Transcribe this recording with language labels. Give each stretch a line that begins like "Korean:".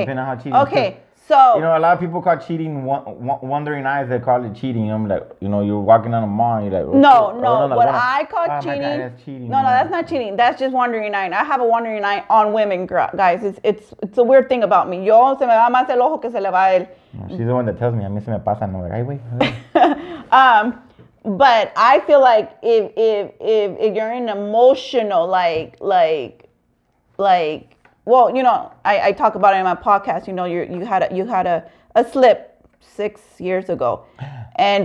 English: Depending on how cheating. Okay. So, you know, a lot of people call cheating wandering eyes. They call it cheating. I'm like, you know, you're walking down the mall. And you're like, no. What I call cheating, my God, that's cheating. No, that's not cheating. That's just wandering eye. I have a wandering eye on women, guys. It's a weird thing about me.
Spanish: Yo se me va más el ojo que se le va el.
English: She's the one that tells me.
Spanish: A mí se me pasa.
English: I'm like, ay, wey. But I feel like if you're in emotional like. Well, you know, I talk about it in my podcast. You know, you had a slip 6 years ago, and